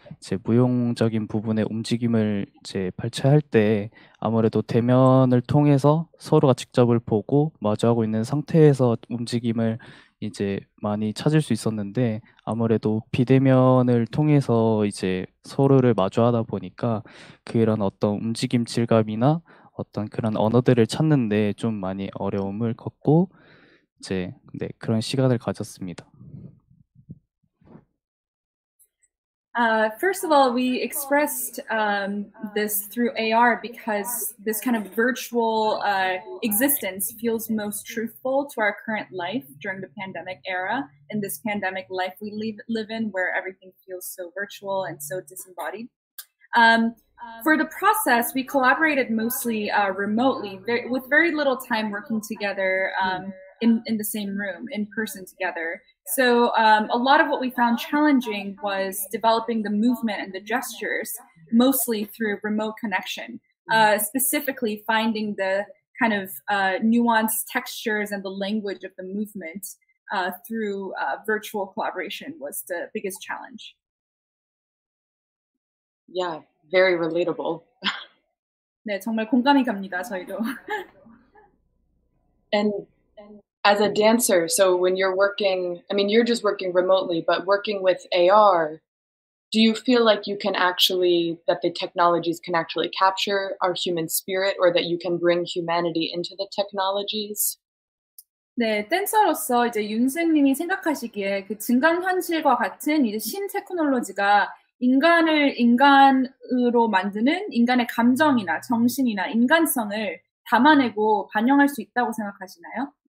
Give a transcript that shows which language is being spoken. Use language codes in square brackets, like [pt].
[ko] 이제 무용적인 부분의 움직임을 이제 발췌할 때 아무래도 대면을 통해서 서로가 직접을 보고 마주하고 있는 상태에서 움직임을 이제 많이 찾을 수 있었는데 아무래도 비대면을 통해서 이제 서로를 마주하다 보니까 그런 어떤 움직임 질감이나 어떤 그런 언어들을 찾는 데 좀 많이 어려움을 겪고 이제 네, 그런 시간을 가졌습니다. [en] First of all, we expressed this through AR because this kind of virtual existence feels most truthful to our current life during the pandemic era. In this pandemic life we live in where everything feels so virtual and so disembodied. For the process, we collaborated mostly remotely with very little time working together in the same room, in person together. So a lot of what we found challenging was developing the movement and the gestures, mostly through remote connection, specifically finding the kind of nuanced textures and the language of the movement through virtual collaboration was the biggest challenge. Yeah, very relatable. [ko] 네, 정말 공감이 갑니다, 저희도. [en] And as a dancer, so when you're working, I mean, you're just working remotely, but working with AR, do you feel like you can actually, that the technologies can actually capture our human spirit or that you can bring humanity into the technologies? [ko] 네, 댄서로서 이제 윤승님이 생각하시기에 그 증강현실과 같은 이제 신테크놀로지가 인간을 인간으로 만드는 인간의 감정이나 정신이나 인간성을 담아내고 반영할 수 있다고 생각하시나요?